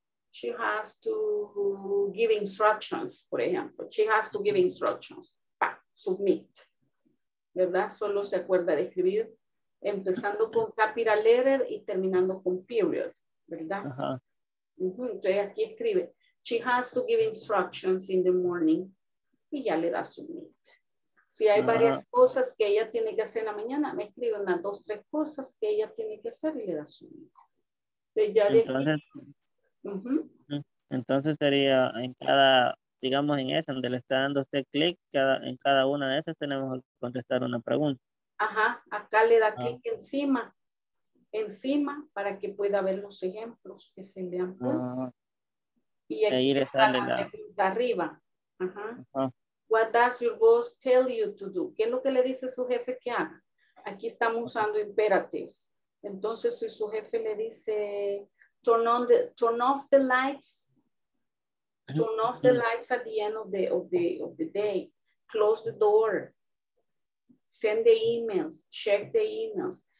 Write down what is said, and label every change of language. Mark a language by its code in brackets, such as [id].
[en] She has to give instructions, [es] por ejemplo. [en] She has to give instructions. Pa, submit. [es] ¿Verdad? Solo se acuerda de escribir empezando con [en] capital letter [es] y terminando con period. ¿Verdad? Uh-huh. Entonces aquí escribe. [en] She has to give instructions in the morning. [es] Y ya le da submit. Si hay varias cosas que ella tiene que hacer en la mañana, me escribe unas dos, tres cosas que ella tiene que hacer y le da submit. Entonces ya le Entonces sería en cada, digamos en esa donde le está dando usted clic, en cada una de esas tenemos que contestar una pregunta. Ajá, acá le da clic encima para que pueda ver los ejemplos que se le han puesto. Y aquí ahí le sale la pregunta arriba. Ajá. [en] What does your boss tell you to do? [es] ¿Qué es lo que le dice su jefe que haga? Aquí estamos usando imperatives. Entonces, si su jefe le dice, [en] turn off the lights at the end of the day, close the door, send the emails, check the emails.